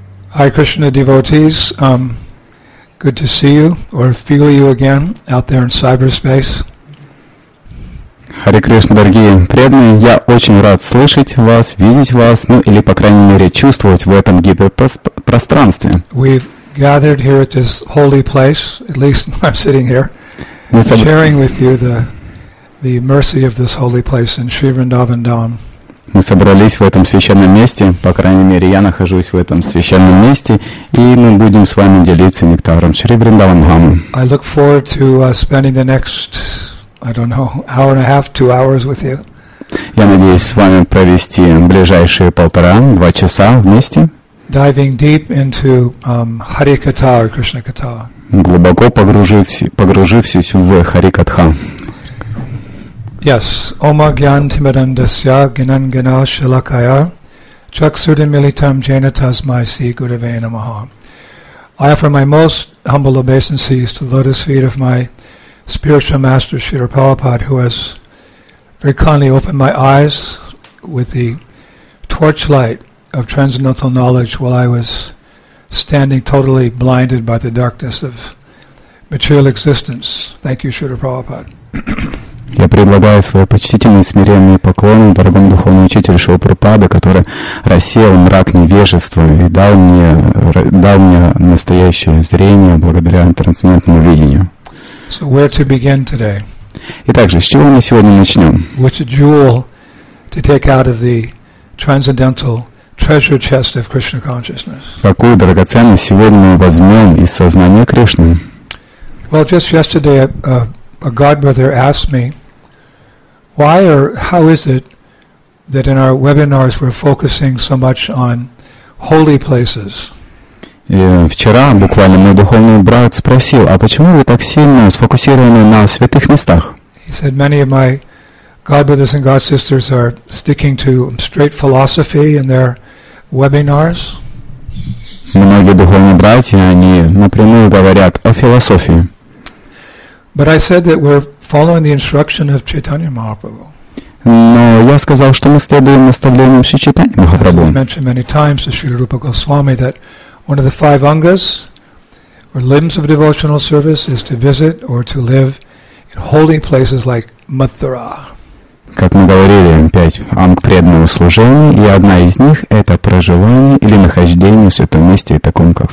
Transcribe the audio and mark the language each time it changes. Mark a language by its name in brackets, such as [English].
[English] Hare Krishna devotees, good to see you or feel you again out there in cyberspace. [Russian] Hare Krishna, дорогие преданные, я очень рад слышать вас, видеть вас, ну или по крайней мере чувствовать в этом гиперпространстве. [English] We've gathered here at this holy place, at least I'm sitting here, sharing with you the mercy of this holy place in Sri Vrindavan Dham. [Russian] Мы собрались в этом священном месте, по крайней мере, я нахожусь в этом священном месте, и мы будем с вами делиться нектаром Шри Вриндаван Дхамы. [English] I look forward to spending the next, I don't know, hour and a half, two hours with you. [Russian] Я надеюсь с вами провести ближайшие полтора-два часа вместе. [English] Diving deep into Харикатха or Кришна Катха. [Russian] Глубоко погружившись в Харикатха. [Sanskrit] Yes, Om Gyan Timadandasya Ginangana Shilakaya Chaksurdimilitam Janatas Maisi Gurave Namaha. [English] I offer my most humble obeisances to the lotus feet of my spiritual master Srila Prabhupada, who has very kindly opened my eyes with the torchlight of transcendental knowledge while I was standing totally blinded by the darkness of material existence. Thank you, Srila Prabhupada. [Russian] Я предлагаю свои почтительные смиренные поклоны дорогому духовному учителю Шрилы Прабхупаде, который рассеял мрак невежества и дал мне настоящее зрение благодаря трансцендентному видению. [English] So where to begin today? [Russian] Итак же, с чего мы сегодня начнем? [English] Which jewel to take out of the transcendental treasure chest of Krishna consciousness? [Russian] Какую драгоценность сегодня мы возьмем из сознания Кришны? [English] Well, just yesterday, a godbrother asked me, why or how is it that in our webinars we're focusing so much on holy places? [Russian] Вчера буквально мой духовный брат спросил, а почему вы так сильно сфокусированы на святых местах? [English] He said, many of my godbrothers and godsisters are sticking to straight philosophy in their webinars. [Russian] Многие духовные братья, они напрямую говорят о философии. [English] But I said that we're following the instruction of Chaitanya Mahaprabhu. [Russian] Но я сказал, что мы следуем наставлениям Шри Чайтаньи Махапрабху. [English] I mentioned many times to Srila Rupa Goswami that one of the five angas, or limbs of devotional service, is to visit or to live in holy places like Mathura. [Russian] Как мы говорили, пять анг преданного служения, и одна из них – это проживание или нахождение в святом месте, таком как